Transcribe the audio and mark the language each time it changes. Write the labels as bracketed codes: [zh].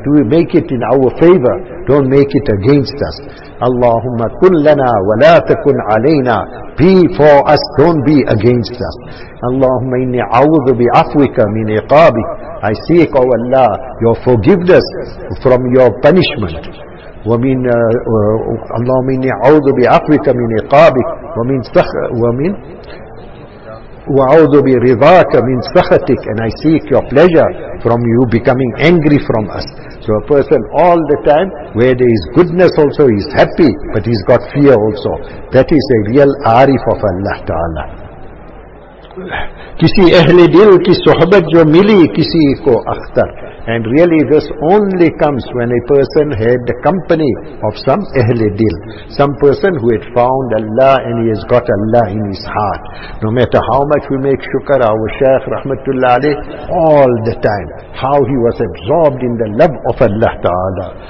[en] Do we make it in our favor, don't make it against us. [ar] Allahumma kun lana wa la takun alayna. [en] Be for us, don't be against us. [ar] Allahumma inni a'udhu bi afwika min iqabi. [en] I seek, O Allah, your forgiveness from your punishment. [ar] ومن اللهم إني أعوذ بعفوك من عقابك ومن سخ ومن وأعوذ برضاك من سخطك. [en] And I seek your pleasure from you becoming angry from us. So a person all the time, where there is goodness also, he's happy, but he's got fear also. That is a real arif of Allah Ta'ala. [ur] کسی اہل دل کی صحبت جو ملی کسی کو Akhtar. [en] And really this only comes when a person had the company of some ahl dil, some person who had found Allah and he has got Allah in his heart. No matter how much we make shukr, our Shaykh Rahmatullah Alayh, all the time, how he was absorbed in the love of Allah Ta'ala.